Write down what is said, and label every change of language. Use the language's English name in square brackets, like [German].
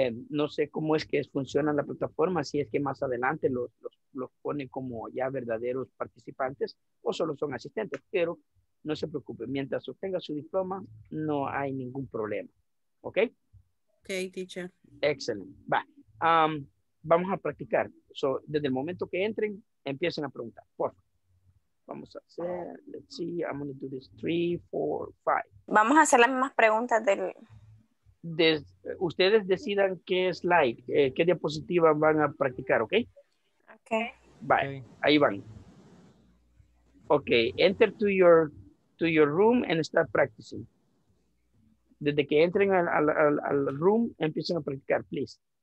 [Spanish] No sé cómo es que funciona la plataforma, si es que más adelante los ponen como ya verdaderos participantes o solo son asistentes, pero no se preocupen, mientras obtenga su diploma no hay ningún problema, ¿ok? [English] Ok, teacher. [Spanish] Excelente. Va. Vamos a practicar. So, desde el momento que entren, empiecen a preguntar, por favor. Vamos a hacer, [English] let's see, I'm going to do this 3, 4, 5. [Spanish] Vamos a hacer las mismas preguntas del... Ustedes decidan qué slide, qué diapositiva van a practicar, ¿ok? Ok. Bye. Okay. Ahí van. [English] Ok, enter to your room and start practicing. [Spanish] Desde que entren al room, empiecen a practicar, please.